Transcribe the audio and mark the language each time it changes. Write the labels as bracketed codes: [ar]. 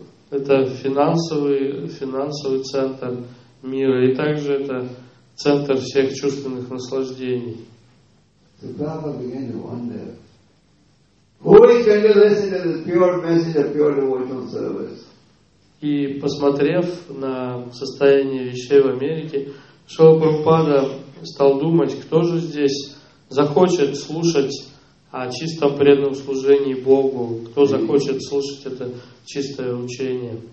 [ru] Это финансовый центр мира, и также это центр всех чувственных наслаждений. [en] So Prabhupada began to wonder, who is going to listen to this pure message of pure devotional service? [ru] И посмотрев на состояние вещей в Америке, Шрила Прабхупада стал думать, кто же здесь захочет слушать о чистом преданном служении Богу, кто захочет слушать это чистое учение.